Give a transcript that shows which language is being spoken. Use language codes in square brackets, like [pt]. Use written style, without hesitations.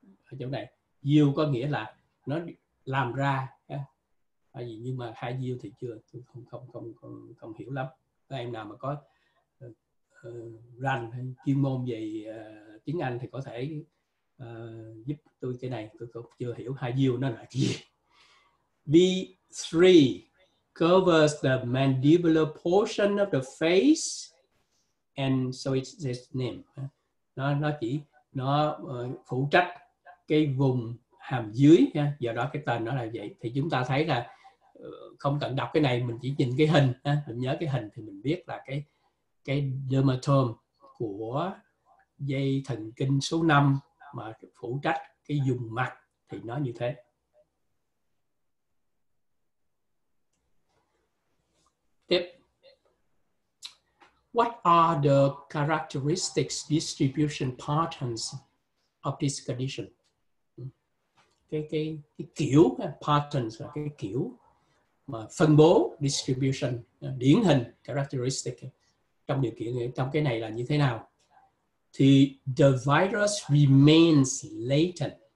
[vi] Ở chỗ này view có nghĩa là nó làm ra ha, nhưng mà hai view thì chưa, tôi không hiểu lắm. Các em nào mà có rành hay chuyên môn về tiếng Anh thì có thể giúp tôi cái này, tôi chưa hiểu hai view nó là gì. [en] V3 covers the mandibular portion of the face, and so it's its name. [vi] Nó phụ trách cái vùng hàm dưới nha, do đó cái tên nó là vậy. Thì chúng ta thấy là không cần đọc cái này, mình chỉ nhìn cái hình, mình nhớ cái hình thì mình biết là cái dermatome, của dây thần kinh số 5 mà phụ trách cái vùng mặt thì nó như thế. Tiếp. [en] What are the characteristics distribution patterns of this condition? [vi] Cái kiểu patterns là cái kiểu mà phân bố distribution điển hình characteristic trong điều kiện trong cái này là như thế nào? Thì [en] the virus remains latent.